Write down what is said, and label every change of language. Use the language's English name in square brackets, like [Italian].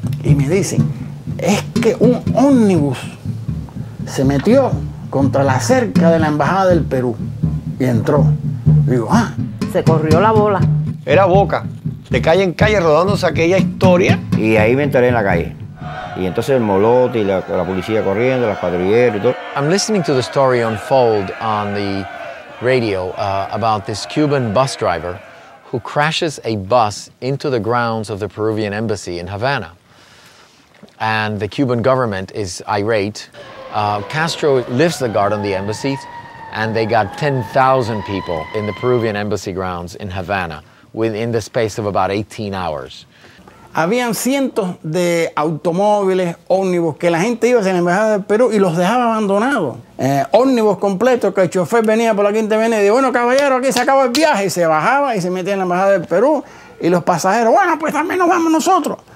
[Spanish] Y me dicen, es que un ómnibus se metió contra la cerca de la Embajada del Perú y entró. Y digo, ah. Se corrió la bola. Era Boca, de calle en calle rodándose aquella historia. Y ahí me enteré en la calle. Y entonces el molote y la policía corriendo, las patrulleras y todo. [English] I'm listening to the story unfold on the radio about this Cuban bus driver who crashes a bus into the grounds of the Peruvian embassy in Havana. And the Cuban government is irate. Castro lifts the guard on the embassy and they got 10,000 people in the Peruvian embassy grounds in Havana within the space of about 18 hours. [Spanish] Habían cientos de automóviles, ómnibus, que la gente iba a la Embajada del Perú y los dejaba abandonados. Ómnibus completos, que el chofer venía por la Quinta Avenida y dijo, bueno, caballero, aquí se acaba el viaje. Y se bajaba y se metía en la Embajada del Perú. Y los pasajeros, bueno, pues también nos vamos nosotros.